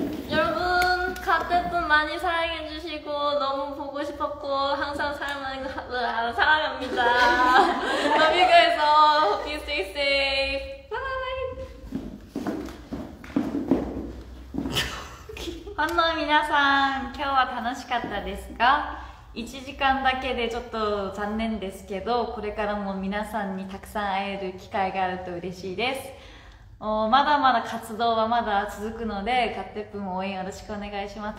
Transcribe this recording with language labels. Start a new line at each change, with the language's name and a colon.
Korean: 여러분, 가태뿐 많이 사랑해주시고, 너무 보고 싶었고, 항상 사랑합니다.
English: Love you guys all. Hope you stay safe. Bye.
Japanese: 本当皆さん今日は楽しかったですか? 1時間だけでちょっと残念ですけど、これからも皆さんにたくさん会える機会があると嬉しいです。まだまだ活動はまだ続くので, 갓대쁨応援よろしくお願いします.